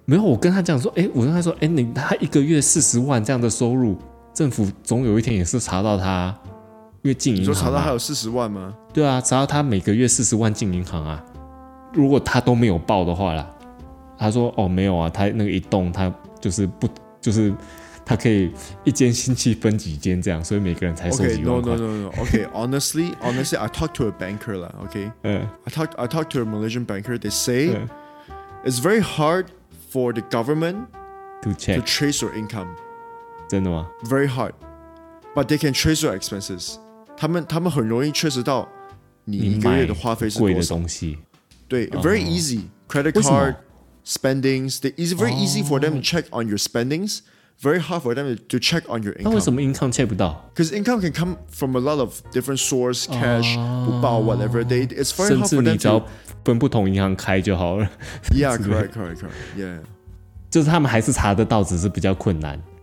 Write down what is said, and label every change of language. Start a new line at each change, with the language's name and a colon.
Chinese: 没有我跟他讲说我跟他说你他一个月40万这样的收入政府总有一天也是查到他因为进银行、啊、你说查到他有40万吗对啊查到他每个月40万进银行啊如果他都没有报的话啦他说哦没有啊他那个一栋他就是不就是他可以一间星期分几间这样所以每个人才收几万块
English: okay, no okay honestly I talked to a banker lah okay I talked to a Malaysian banker they say it's very hard for the government to check to trace your income
Chinese: 真的吗
English: very hard but they can trace your expenses
Chinese: 他们很容易 trace 到你一个月的花费是多少贵的东西
English: 对 very easy credit card spendings it's very easy for them to check on your spendings very hard for them to check on your income
Chinese: 那为什么 income check 不到
English: because income can come from a lot of different source cash
Chinese: 不报
English: whatever they, it's very hard for them
Chinese: 甚至你只要分不同银行开就好了
English: yeah correct yeah
Chinese: 就是他们还是查得到只是比较困难